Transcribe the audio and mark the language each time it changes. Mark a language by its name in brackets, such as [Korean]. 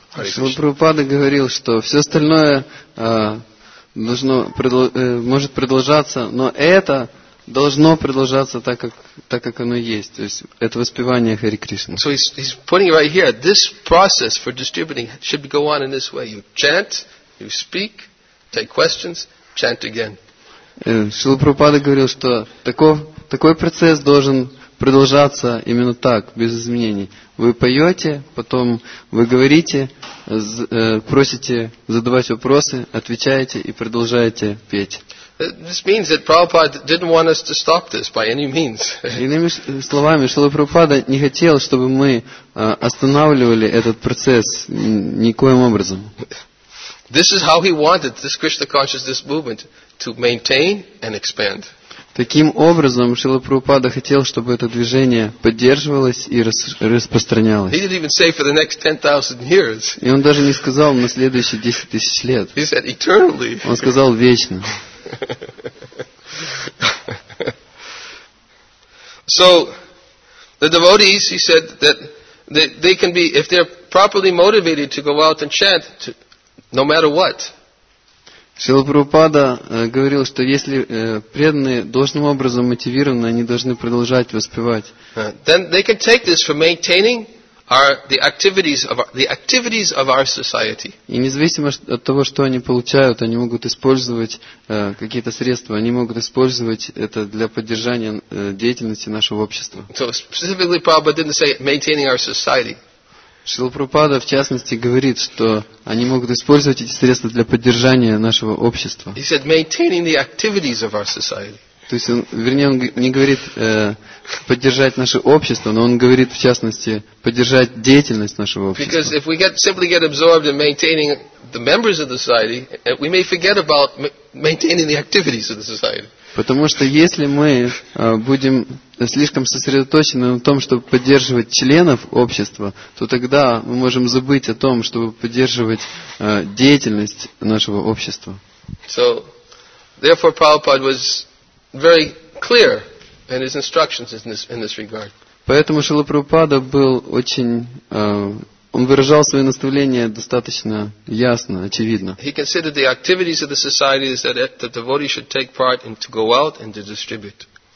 [Russian] Шрила Прабхупада говорил, что все остальное может продолжаться, но это должно продолжаться так как оно есть. То есть это воспевание Хари Кришны. [English] So he's putting it right here. This process for distributing should go on in this way. You chant, you speak, take questions, chant again. [Russian] Шрила Прабхупада говорил, что такой процесс должен продолжаться именно так, без изменений. Вы поете, потом вы говорите, просите задавать вопросы, отвечаете и продолжаете петь. [English] This means that Prabhupada didn't want us to stop this by any means. [Russian] Иными словами, Шрила Прабхупада не хотел, чтобы мы останавливали этот процесс никоим образом. [English] This is how he wanted this Krishna consciousness movement to maintain and expand. [Russian] Таким образом, Шрила Прабхупада хотел, чтобы это движение поддерживалось и распространялось. [English] He didn't even say for the next 10,000 years. [Russian] И он даже не сказал на следующие 10,000 лет. [English] He said eternally. [Russian] Он сказал вечно. [English] So the devotees, he said, that they can be, if they're properly motivated to go out and chant, to, no matter what. [Russian] Шрила Прабхупада говорил, что если преданные должным образом мотивированы, они должны продолжать воспевать. [English] Then they can take this for maintaining the activities of our society. [Russian] И независимо от того, что они получают, они могут использовать какие-то средства, они могут использовать это для поддержания деятельности нашего общества. [English] So specifically, Prabhupada didn't say maintaining our society. [Russian] Шрила Прабхупада, в частности, говорит, что они могут использовать эти средства для поддержания нашего общества. [English] He said, maintaining the activities of our society. [Russian] То есть, он не говорит поддержать наше общество, но он говорит, в частности, поддержать деятельность нашего общества. [English] Because if we simply get absorbed in maintaining the members of the society, we may forget about maintaining the activities of the society. [Russian] Потому что если мы будем слишком сосредоточены на том, чтобы поддерживать членов общества, то тогда мы можем забыть о том, чтобы поддерживать деятельность нашего общества. [English] So, therefore, Prabhupada was very clear in his instructions in this regard. [Russian] Поэтому Шрила Прабхупада был очень, он выражал свои наставления достаточно ясно, очевидно. [English] He considered the activities of the society is that the devotee should take part and to go out and to distribute.